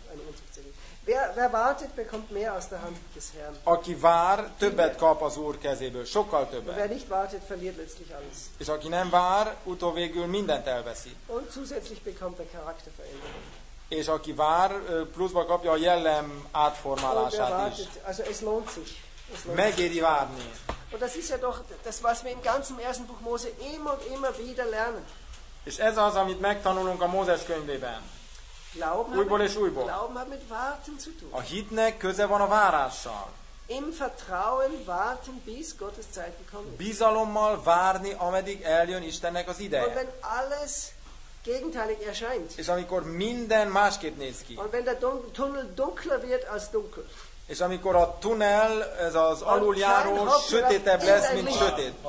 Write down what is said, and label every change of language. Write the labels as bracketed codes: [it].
[de] eine Unzucht zerrissen. Wer wartet, bekommt mehr aus der Hand des Herrn. [hu] Aki vár, többet kap az Úr kezéből, sokkal többet. [de] Wer nicht wartet, verliert letztlich alles. [hu] És aki nem vár, utóvégül mindent elveszi. [de] Und zusätzlich bekommt der Charakter verändert. [hu] És aki vár, pluszba kapja a jellem átformálását is. [de] Also es lohnt sich. [hu] Megéri várni. [de] Und das ist ja doch das, was wir im ganzen ersten Buch Mose immer und immer wieder lernen. [hu] És ez az, amit megtanulunk a Mózes könyvében. Újból és újból. [de] Glauben hat mit warten zu tun. [hu] A hitnek köze van a várással. [de] Im Vertrauen warten, bis Gottes Zeit gekommen ist. [hu] Bizalommal várni, ameddig eljön Istennek az ideje. [de] Und wenn alles gegenteilig erscheint. [hu] És amikor minden másképp néz ki. [de] Und wenn der Tunnel dunkler wird als dunkel. [hu] És amikor a tunnel, ez az aluljáró sötétebb lesz, mint sötét.